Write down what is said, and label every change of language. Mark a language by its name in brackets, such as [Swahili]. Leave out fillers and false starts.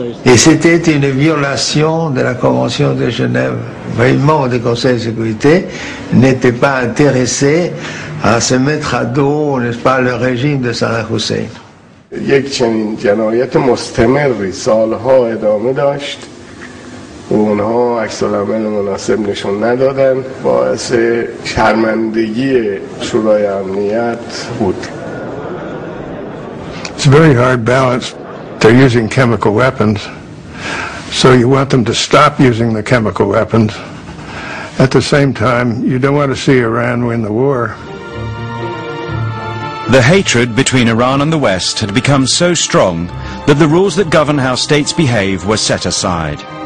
[French] Et c'était une violation de la Convention de Genève. Mais les membres du Conseil de sécurité n'étaient pas intéressés à se mettre à dos, n'est-ce pas, le régime de Saddam Hussein. [Persian] یک چنین جنایت مستمری سالها ادامه داشت و اونها عکس‌العمل مناسب نشون ندادن باعث شرمندگی شورای امنیت بود. [English] It's a very hard balance. They're using chemical weapons, so you want them to stop using the chemical weapons. At the same time, you don't want to see Iran win the war. The hatred between Iran and the West had become so strong that the rules that govern how states behave were set aside.